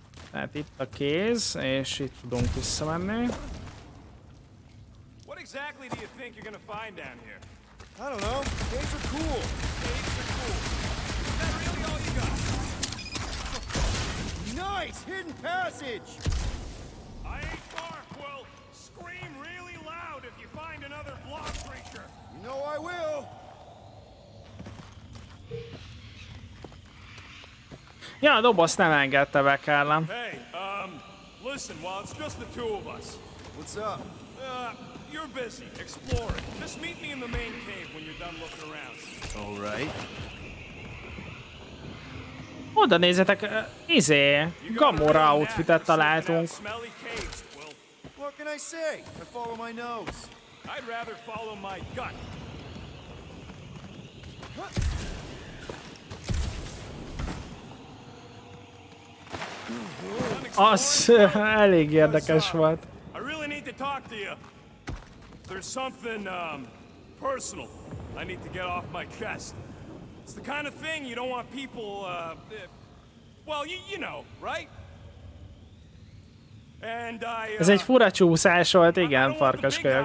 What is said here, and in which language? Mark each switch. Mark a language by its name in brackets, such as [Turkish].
[Hungarian] Tehát itt a kéz, és itt tudunk visszamenni. [English] What exactly do you think you're gonna find down here? I don't know. Caves are cool. Caves are cool. Is that really all you got? Nice hidden passage. I ain't far, Quill. Scream really loud if you find another block creature. You know I will. [Hungarian] Ja, a doboz nem engedte be, Kárlám. [English] Hey, listen, while it's just the two of us. What's up? You're busy, exploring. Just meet me in the main cave when you're done looking around. All right. [Hungarian] Oda nézzetek, izé, Gamora outfitet találtunk. [English] Smelly caves, well, what can I say? I follow my nose. I'd rather follow my gut. [Hungarian] Az elég érdekes volt. [English] I really need to talk to you. There's something personal I need to get off my chest. It's the kind of thing you don't want people well, you know, right? And I [Hungarian] ez egy fura csúszás volt, igen, farkaskölyök.